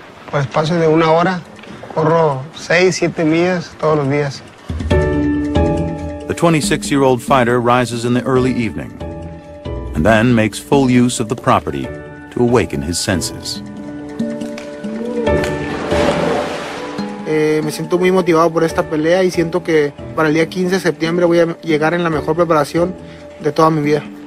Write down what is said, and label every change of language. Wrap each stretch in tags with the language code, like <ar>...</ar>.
<es>Por espacio de una hora, corro 6-7 millas todos los días.</es> <en>The 26-year-old fighter rises in the early evening and then makes full use of the property to awaken his senses.</en> <es>Me siento muy motivado por esta pelea y siento que para el día 15 de septiembre voy a llegar en la mejor preparación de toda mi vida.</es>